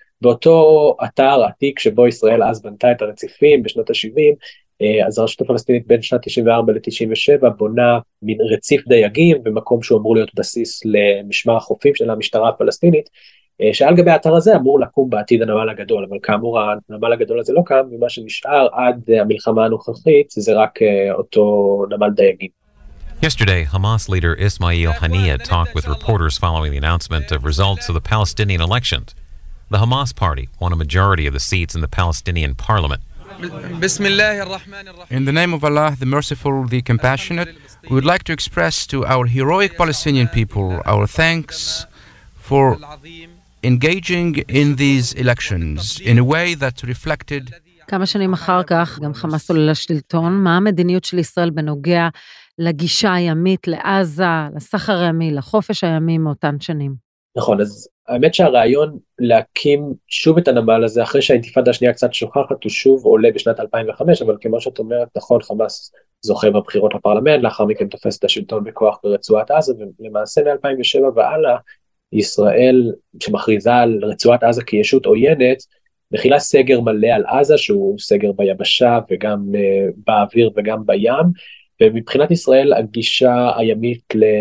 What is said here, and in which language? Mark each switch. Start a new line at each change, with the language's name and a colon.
Hebrew: באותו אתר עתיק שבו ישראל אז בנתה את הרציפים בשנות ה-70, אז הרשות הפלסטינית בין שנת 94 ל-97 בונה מין רציף דייגים במקום שהוא אמור להיות בסיס למשמר החופים של המשטרה הפלסטינית, שעל גבי האתר הזה אמור לקום בעתיד הנמל הגדול, אבל כאמור הנמל הגדול הזה לא קם, ומה שנשאר עד המלחמה הנוכחית זה רק אותו נמל דייגים.
English: Yesterday, Hamas leader Ismail Haniyeh talked with reporters following the announcement of results of the Palestinian elections. The Hamas party won a majority of the seats in the Palestinian parliament. In the name of Allah, the merciful, the compassionate, we would like to express to our heroic Palestinian people our thanks for engaging in these elections in a way that reflected...
Hebrew: כמה שנים אחר כך, גם חמאס עולה לשלטון, מה המדיניות של ישראל בנוגע לגישה הימית לעזה, לסחר הימי, לחופש הימי מאותן שנים? נכון, אז האמת שהרעיון להקים שוב את הנמל הזה, אחרי שהאינתיפאדה השנייה קצת שוכחת, הוא שוב עולה בשנת 2005, אבל כמו שאת אומרת, נכון, חמאס זוכה בבחירות לפרלמנט, לאחר מכן תופס את השלטון בכוח ברצועת עזה, ולמעשה מ-2007 והלאה, ישראל שמכריזה על רצועת עזה כישות עוינת, מכילה סגר מלא על עזה, שהוא סגר ביבשה וגם באוויר וגם בים, ומבחינת ישראל הגישה הימית